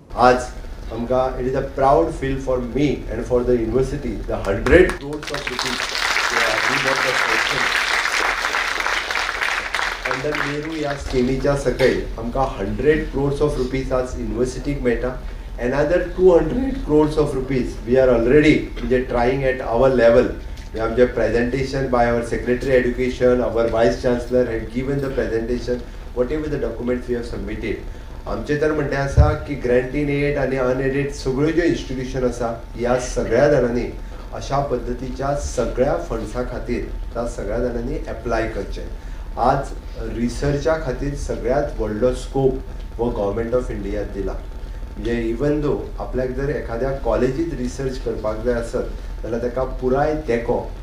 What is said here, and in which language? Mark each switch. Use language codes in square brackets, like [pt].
[gom] आज आमकां [en] it is a proud feel for me and for the university the 100 crores of rupees under Nehru [gom] ह्या स्किमीच्या सकयल आमकां [en] 100 crores of rupees [gom] आज युनिवर्सिटीक मेळटा [en] Another 200 crores of rupees we are already trying at our level. We have the presentation by our Secretary of Education, our Vice Chancellor had given the presentation, whatever the documents we have submitted. [gom] आमचे तर म्हणणे असा की grant in aid आणि unaided सगळ्यो ज्यो institution असा या सगळ्या जणांनी अशा पद्धतीच्या सगळ्या फंड्सा खातीर त्या सगळ्या जणांनी अप्लाय करचे आज रिसर्चा खातीर सगळ्यात व्हडलो स्कोप वो गव्हर्मेंट ऑफ इंडियात दिला म्हणजे इवन दो आपल्याक जर एखाद्या कॉलेजीत रिसर्च करपाक जाय आसत जाल्यार ताका पुराय तेको